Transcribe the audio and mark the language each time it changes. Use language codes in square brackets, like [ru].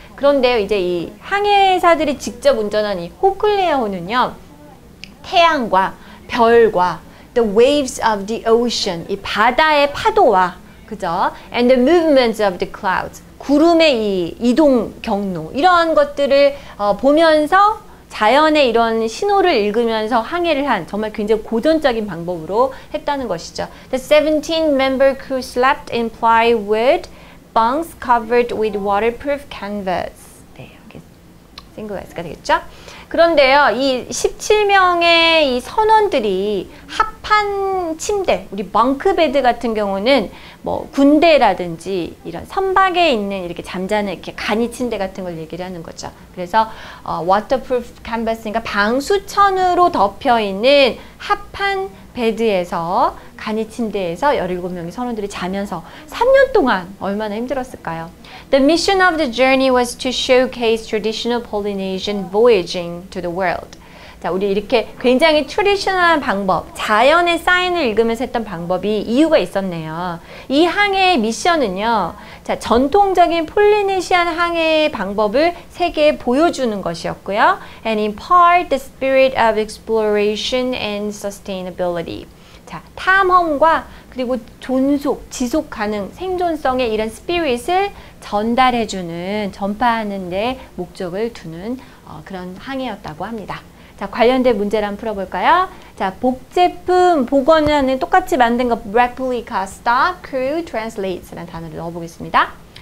[ko] 그런데 이제 이 항해사들이 직접 운전한 이 호쿨리아호는요 태양과 별과 [en] The waves of the ocean, [ko] 이 바다의 파도와, 그죠? [en] And the movements of the clouds, [ko] 구름의 이 이동 경로, 이런 것들을 보면서 자연의 이런 신호를 읽으면서 항해를 한 정말 굉장히 고전적인 방법으로 했다는 것이죠. [en] The 17-member crew slept in plywood bunks covered with waterproof canvas. [ko] 네, 이렇게 싱글베드가 되겠죠? 그런데요, 이 17명의 이 선원들이 합판 침대, 우리 벙크베드 같은 경우는 뭐 군대라든지 이런 선박에 있는 이렇게 잠자는 이렇게 간이 침대 같은 걸 얘기를 하는 거죠. 그래서 waterproof canvas, 그러니까 방수천으로 덮여 있는 합판 베드에서 간이 침대에서 17명의 선원들이 자면서 3년 동안 얼마나 힘들었을까요? [en] The mission of the journey was to showcase traditional Polynesian voyaging to the world. [ko] 자, 우리 이렇게 굉장히 트리셔널한 방법, 자연의 사인을 읽으면서 했던 방법이 이유가 있었네요. 이 항해의 미션은요, 자, 전통적인 폴리네시안 항해의 방법을 세계에 보여주는 것이었고요. [en] And impart the spirit of exploration and sustainability. [ko] 자, 탐험과 그리고 존속, 지속 가능, 생존성의 이런 스피릿을 전달해주는, 전파하는 데 목적을 두는 그런 항해였다고 합니다. 자, 관련된 문제를 한번 풀어볼까요? 자, 복제품, 복원하는 똑같이 만든 것, replica, stock, crew, translates 라는 단어를 넣어보겠습니다.